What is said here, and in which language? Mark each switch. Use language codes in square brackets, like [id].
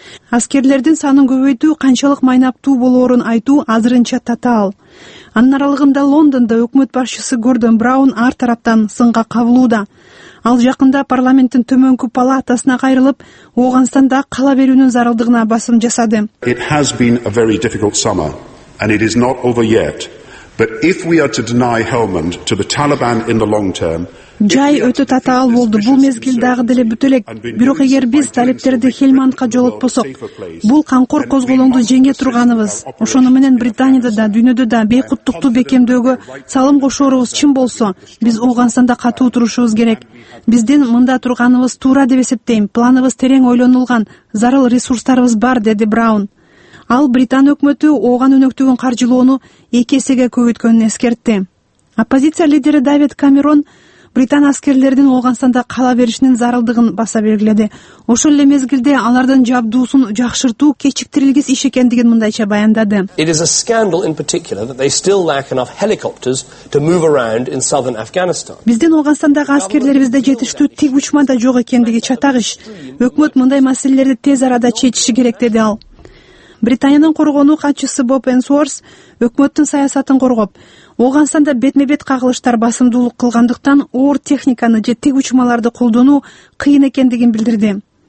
[ky] Аскерлердин санын көбөйтүү канчалык майнаптуу болоорун айтуу азырынча татаал. Анын аралыгында Лондондо өкмөт башчысы Гордон Браун ар тараптан сынга кабылууда. Ал жакында парламенттин төмөнкү палатасына кайрылып, Ооганстанда кала берүүнүн зарылдыгына басым жасады. [en] It has been a very difficult summer and it is not over yet. But if we are to deny Helmand to the Taliban in the long term, [ky] жай өтө татаал болду. Бул мезгил дагы деле бүт элек. Бирок эгер биз талиптерди Хилмандка жолотпосок, бул канкор козголоңду жеңе турганыбыз. Ошону менен Британияда да, дүйнөдө да бейкуттукту бекемдөөгө салым кошоорубуз чын болсо, биз Ооганстанда катуу турушубуз керек. Биздин мында турганыбыз туура деп эсептейм. Планыбыз терең ойлонулган, зарыл ресурстарыбыз бар, деди Браун. Ал Британ өкмөтү ооган өнөктүгүн каржылоону 2 эсеге көбөйткөнүн эскертти. Оппозиция лидери Давид Камерон британ аскерлердин Ооганстанда кала беришинин зарылдыгын баса белгиледи. Ошол эле мезгилде алардын жабдуусун жакшыртуу кечиктирилгис иш экендигин мындайча баяндады. [en] It is a scandal in particular that they still lack enough helicopters to move around in southern Afghanistan. [ky] Биздин Ооганстандагы аскерлерибизде жетиштүү тик учма да жок экендиги чатак иш. Өкмөт мындай маселелерди тез арада чечиши керек, деди ал. Британиянын коргоонуу катчысы Боб Энсворс өкмөттүн саясатын коргоп, Ооганстанда бетме-бет кагылыштар басымдуулук кылгандыктан оор техниканы же тик учмаларды колдонуу кыйын экендигин билдирди.